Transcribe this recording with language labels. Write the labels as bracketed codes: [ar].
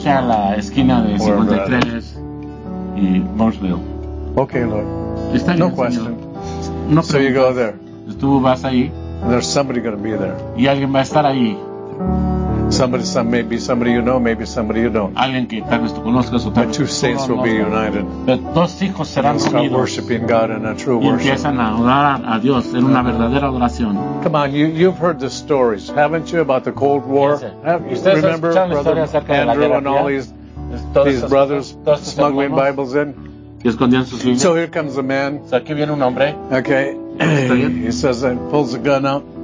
[es] Vete a la esquina de 53rd y Roosevelt. [en] Okay, Lord. [es] Está bien, [en] no question. [es] No [en] so you go there. [es] Tú vas ahí. [en] And there's somebody going to be there. [es] Y alguien va a estar ahí. [en] Maybe somebody you know, maybe somebody you don't. [es] Alguien que tal vez tú conozcas o tal vez. [en] But two saints will be united. [es] Dos hijos serán [en] unidos. Start worshiping God in a true worship. [es] Y empiezan a orar a Dios en una verdadera adoración. [en] Come on, you've heard the stories, haven't you, about the Cold War? Remember, Brother Andrew and all these brothers smuggling Bibles in. So here comes a man. [es] Aquí viene un hombre. [en] Okay. He says and pulls a gun out.